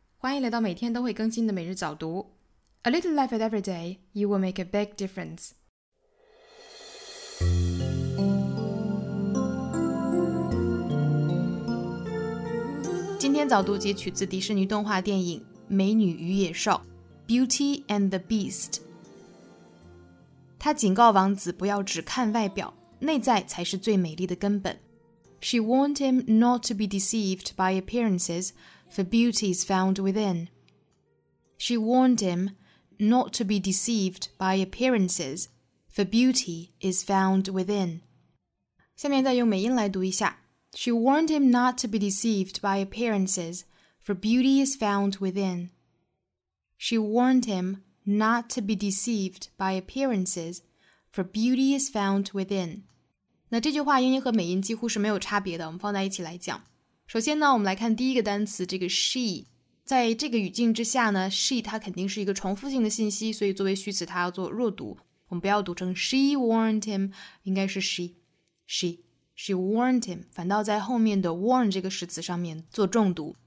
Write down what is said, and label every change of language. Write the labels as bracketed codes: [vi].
[zh] 欢迎来到每天都会更新的每日早读。 [en] A little life at every day, you will make a big difference. [zh] Today's 早读集取自迪士尼动画电影《美女与野兽》（Beauty and the Beast）。她警告王子不要只看外表，内在才是最美丽的根本。 [en] She warned him not to be deceived by appearances, for beauty is found within. She warned him not to be deceived by appearances, for beauty is found within. [zh] 下面再用美音来读一下。 [en] She warned him not to be deceived by appearances, for beauty is found within. She warned him not to be deceived by appearances, for beauty is found within. [zh] 那这句话英音和美音几乎是没有差别的，我们放在一起来讲。首先呢，我们来看第一个单词，这个 she， 在这个语境之下呢， she 它肯定是一个重复性的信息，所以作为虚词它要做弱读，我们不要读成 [en] she warned him， [zh] 应该是 she warned him， 反倒在后面的 warn 这个实词上面做重读。